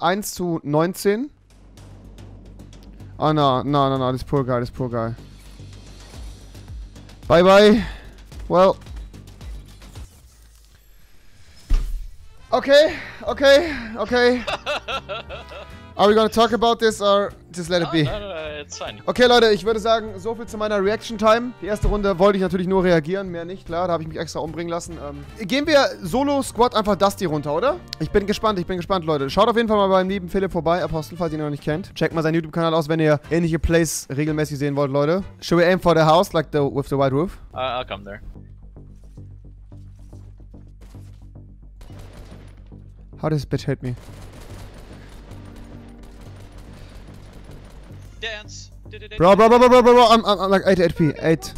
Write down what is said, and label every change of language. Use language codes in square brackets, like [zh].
[de] 1 zu 19. [en] Oh, no. This poor guy. Bye, bye. Well. Okay. Are we gonna talk about this or just let it be? It's fine. [de] Okay, Leute, ich würde sagen, so viel zu meiner Reaction Time. Die erste Runde wollte ich natürlich nur reagieren, mehr nicht. Klar, da habe ich mich extra umbringen lassen. Gehen wir Solo Squad einfach Dusty runter, oder? Ich bin gespannt, Leute. Schaut auf jeden Fall mal beim lieben Philipp vorbei, Apostel, falls ihr ihn noch nicht kennt. Checkt mal seinen YouTube-Kanal aus, wenn ihr ähnliche Plays regelmäßig sehen wollt, Leute. [en] Should we aim for the house, like with the white roof? I'll come there. How does this bitch hit me? Dance. Bro, I'm like 8 HP. 8.